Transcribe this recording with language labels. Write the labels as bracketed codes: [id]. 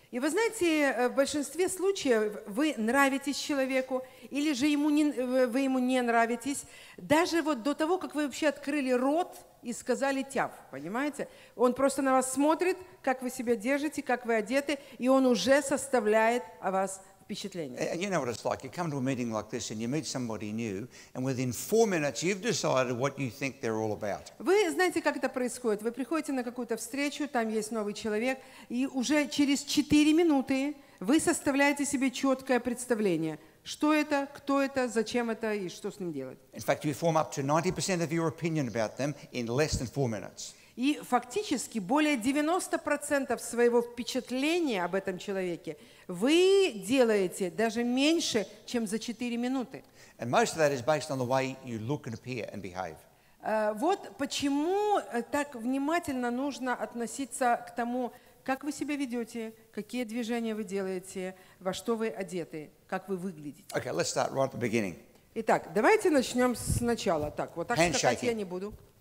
[ru] И вы знаете, в большинстве случаев вы нравитесь человеку, или же вы ему не нравитесь, даже вот до того, как вы вообще открыли рот и сказали тяв, понимаете? Он просто на вас смотрит, как вы себя держите, как вы одеты, и он уже составляет о вас впечатление. [en] And you know what it's like. You come to a meeting like this and you meet somebody new, and within 4 minutes you've decided what you think they're all about. [ru] Вы знаете, как это происходит? Вы приходите на какую-то встречу, там есть новый человек, и уже через 4 минуты вы составляете себе четкое представление, что это, кто это, зачем это и что с ним делать. [en] In fact, you form up to 90% of your opinion about them in less than 4 minutes. [ru] И фактически более 90% своего впечатления об этом человеке вы делаете даже меньше, чем за 4 минуты. [en] And most of that is based on the way you look and appear and behave. [ru] Вот почему так внимательно нужно относиться к тому, как вы себя ведете, какие движения вы делаете, во что вы одеты, как вы выглядите. [en] Okay, let's start right at the beginning. [ru] Итак, давайте начнем сначала. Так, вот так [en] Handshaking. [ru] Я не буду.